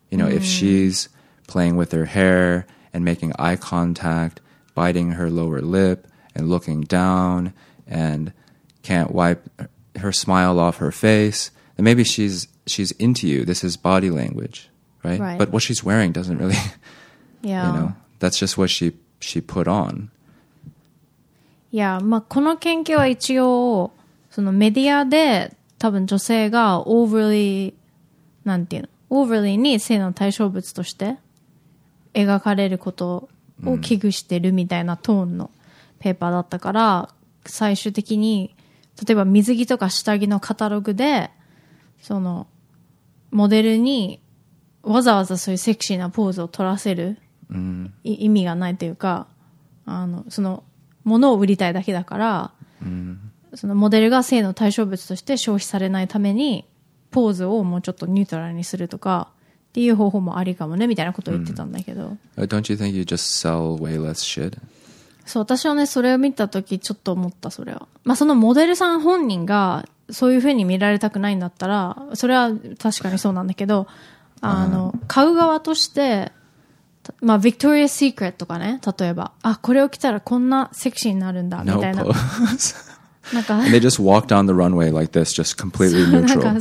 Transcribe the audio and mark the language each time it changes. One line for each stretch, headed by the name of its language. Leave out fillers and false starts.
English: You know, if she's playing with her hair and making eye contact, biting her lower lip and looking down and can't wipe her smile off her face, then maybe she's into you. This is body language, right? Right. But what she's wearing doesn't really, you know, that's just what she put on.
Japanese: いや、まあ、この研究は一応、そのメディアで多分女性がオーブリー、なんていうの、オーブリーに性の対象物として描かれることを危惧してるみたいなトーンのペーパーだったから、最終的に、例えば水着とか下着のカタログで、その、モデルにわざわざそういうセクシーなポーズを取らせる、意味がないというか、あの、その、物を売りたいだけだから、そのモデルが性の対象物として消費されないためにポーズをもうちょっとニュートラルにするとかっていう方法もありかもねみたいなことを言ってたんだけど、
English: Don't you think you just sell way less shit?
Japanese: そう、私はね、それを見た時ちょっと思った。それは、まあ、そのモデルさん本人がそういうふうに見られたくないんだったら、それは確かにそうなんだけど、あの、買う側として、まあ、Victoria's Secret とかね、例えば、あ、これを着たらこんなセクシーになるんだ、みたいな。なんか、
English: And they just walk down the runway like this, just completely neutral.